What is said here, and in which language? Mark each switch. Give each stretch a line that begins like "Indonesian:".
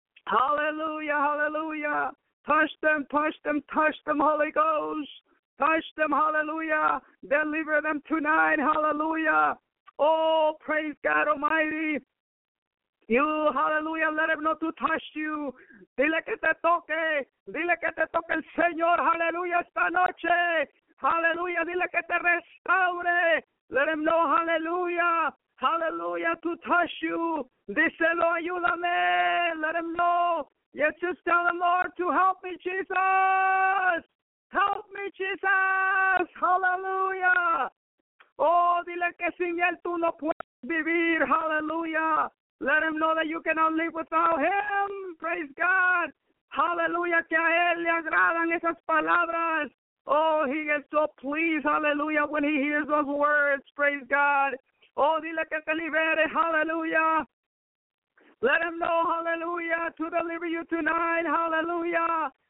English: aleluya, aleluya, touch them, touch them, touch them, Holy Ghost, touch them, aleluya, deliver them tonight, aleluya. Oh, praise God Almighty. You, hallelujah, let him know to touch you.
Spanish: Dile que te toque. Dile que te toque el Señor, hallelujah, esta noche. Hallelujah, dile que te restaure.
English: Let him know, hallelujah, hallelujah, to touch you.
Spanish: Díselo, ayúdame.
English: Let him know. Yes, just tell the Lord to help me, Jesus. Help me, Jesus. Hallelujah.
Spanish: Oh, dile que sin él tú no puedes vivir. Hallelujah.
English: Let him know that you cannot live without him. Praise God. Hallelujah.
Spanish: Que a él le agradan esas palabras.
English: Oh, he is so pleased. Hallelujah. When he hears those words. Praise God. Oh,
Spanish: dile que te libere,
English: hallelujah. Let him know, hallelujah, to deliver you tonight, hallelujah.